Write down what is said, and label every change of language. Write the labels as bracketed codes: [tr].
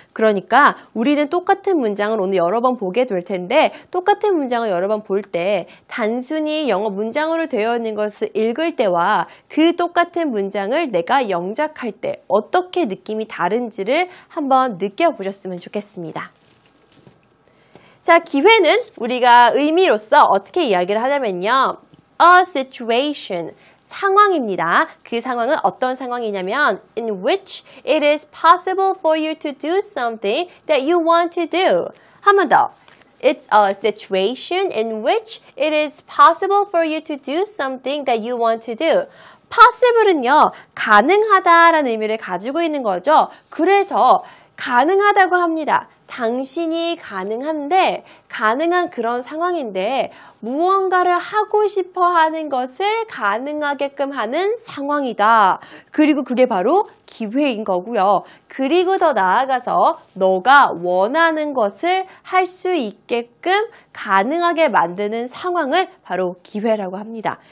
[ko] 그러니까 우리는 똑같은 문장을 오늘 여러 번 보게 될 텐데 똑같은 문장을 여러 번 볼 때 단순히 영어 문장으로 되어 있는 것을 읽을 때와 그 똑같은 문장을 내가 영작할 때 어떻게 느낌이 다른지를 한번 느껴보셨으면 좋겠습니다. 자, 기회는 우리가 의미로써 어떻게 이야기를 하냐면요. [en] A situation, [ko] 상황입니다. 그 상황은 어떤 상황이냐면 [en] in which it is possible for you to do something that you want to do. [ko] 한 번 더. [en] It's a situation in which it is possible for you to do something that you want to do. [ko] Possible은요, 가능하다라는 의미를 가지고 있는 거죠. 그래서 가능하다고 합니다. 당신이 가능한데, 가능한 그런 상황인데 무언가를 하고 싶어 하는 것을 가능하게끔 하는 상황이다. 그리고 그게 바로 기회인 거고요. 그리고 더 나아가서 너가 원하는 것을 할 수 있게끔 가능하게 만드는 상황을 바로 기회라고 합니다.